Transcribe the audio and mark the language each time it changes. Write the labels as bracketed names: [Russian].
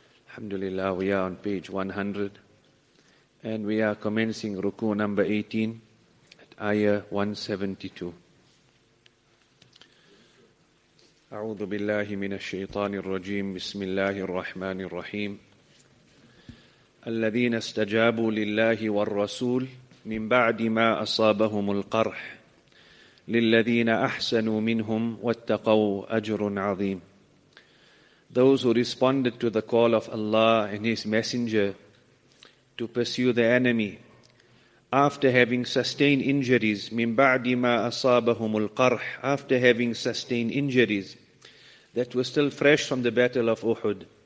[English] Alhamdulillah, we are on page 100 and we are commencing ruku number 18 at ayah 172. [Arabic] أعوذ بالله من الشيطان الرجيم بسم الله الرحمن الرحيم الذين استجابوا لله والرسول من بعد ما أصابهم القرح للذين أحسنوا منهم واتقوا أجر عظيم. [English] Those who responded to the call of Allah and His Messenger to pursue the enemy after having sustained injuries, [Arabic] من بعد ما أصابهم القرح, [English] after having sustained injuries that were still fresh from the battle of Uhud.